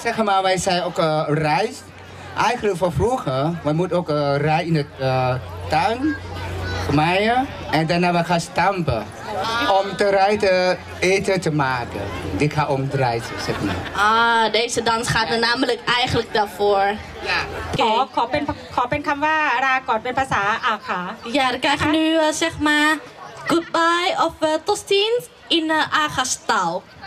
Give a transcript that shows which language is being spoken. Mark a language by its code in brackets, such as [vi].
[nl] zeg maar, wij zijn ook rijst. Eigenlijk van vroeger, wij moeten ook rijst in de tuin maaien en daarna we gaan stampen. Om te rijden, eten te maken. Die gaat omdraaien, zeg maar. Ah, deze dans gaat er namelijk eigenlijk daarvoor. Ja. Okay. [th] ขอเป็นคำว่าลาก่อนเป็นภาษาอาขา [nl] Ja, dan krijg je nu zeg maar goodbye of tot ziens in Agastal.